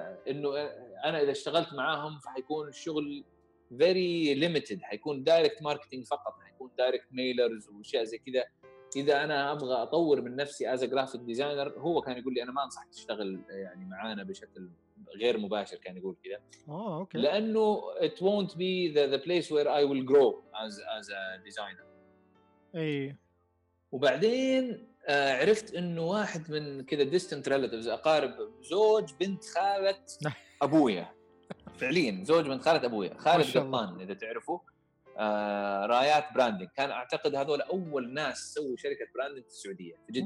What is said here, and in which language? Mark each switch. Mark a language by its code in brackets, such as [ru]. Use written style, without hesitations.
[ar] إنه أنا إذا اشتغلت معاهم فحيكون الشغل [en] very limited [ar] حيكون direct marketing فقط حيكون direct mailers وأشياء زي كذا. إذا أنا أبغى أطور من نفسي [en] as a graphic designer [ar] هو كان يقول لي أنا ما أنصح تشتغل يعني معانا بشكل غير مباشر كان يقول كذا أوكي. لأنه [en] it won't be the place where I will grow as a designer [ar] أي. وبعدين عرفت أنه واحد من كذا [en] distant relatives [ar] أقارب زوج بنت خالة أبويا فعليا زوج بنت خالة أبويا خالة قطان إذا تعرفه رايات براندينج كان اعتقد هذول اول ناس سووا شركه براندينج في السعوديه في جده